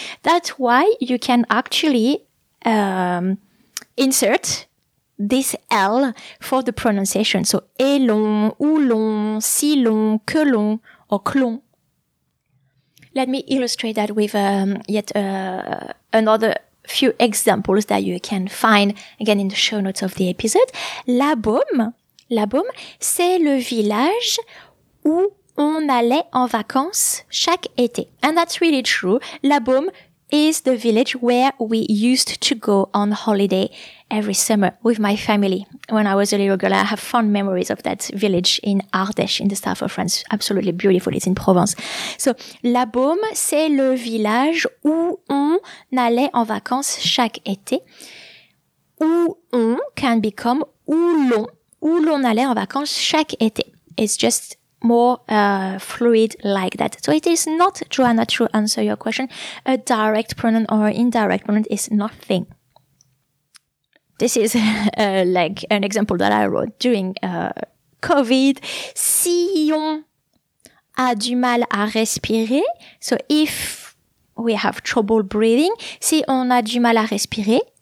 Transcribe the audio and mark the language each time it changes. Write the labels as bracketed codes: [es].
[en] That's why you can actually insert this L for the pronunciation. So, élon, oulon, silon, que l'on, or clon. Let me illustrate that with another few examples that you can find again in the show notes of the episode. [fr] La Baume, c'est le village où on allait en vacances chaque été. [en] And that's really true. La Baume is the village where we used to go on holiday every summer with my family. When I was a little girl, I have fond memories of that village in Ardèche, in the south of France. Absolutely beautiful. It's in Provence. [fr] So, La Baume, c'est le village où on allait en vacances chaque été. Où on [en] can become [fr] où l'on allait en vacances chaque été. [en] It's just more fluid like that. So it is not, Joanna, to answer your question, a direct pronoun or indirect pronoun is nothing. This is like an example that I wrote during COVID. [fr] Si on a du mal à respirer, [en] so if we have trouble breathing, [fr] si on a du mal à respirer,